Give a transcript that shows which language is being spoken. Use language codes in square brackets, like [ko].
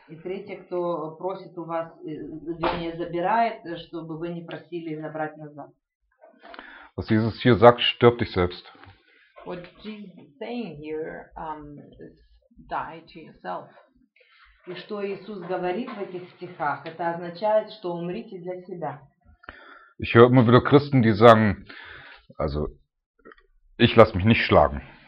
[ru] И третье, кто просит у вас, вернее, забирает, чтобы вы не просили забрать назад. [de] Was Jesus hier sagt, stirb dich selbst. [en] What Jesus is saying here is die to yourself. [ru] И что Иисус говорит в этих стихах, это означает, что умрите для себя. [de] Ich höre immer wieder Christen, die sagen, also ich lasse mich nicht schlagen.